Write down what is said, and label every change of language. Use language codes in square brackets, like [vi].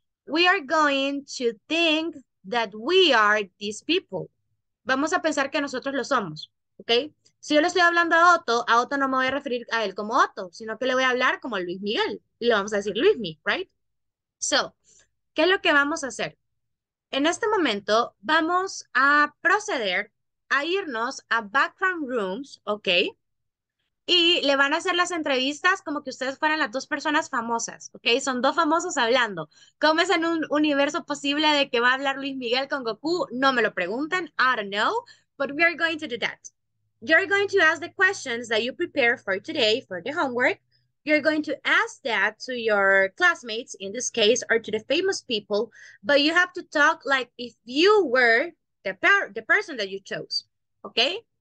[en] We are going to think that we are these people. [es] Vamos a pensar que nosotros lo somos, okay? Si yo le estoy hablando a Otto no me voy a referir a él como Otto, sino que le voy a hablar como Luis Miguel. Y le vamos a decir Luismi, right? So, ¿qué es lo que vamos a hacer? En este momento vamos a proceder a irnos a background rooms, okay? Y le van a hacer las entrevistas como que ustedes fueran las dos personas famosas, okay? Son dos famosos hablando. ¿Cómo es en un universo posible de que va a hablar Luis Miguel con Goku? No me lo pregunten, [en] I don't know, but we are going to do that. You're going to ask the questions that you prepare for today for the homework. You're going to ask that to your classmates, in this case, or to the famous people, but you have to talk like if you were the person that you chose, okay?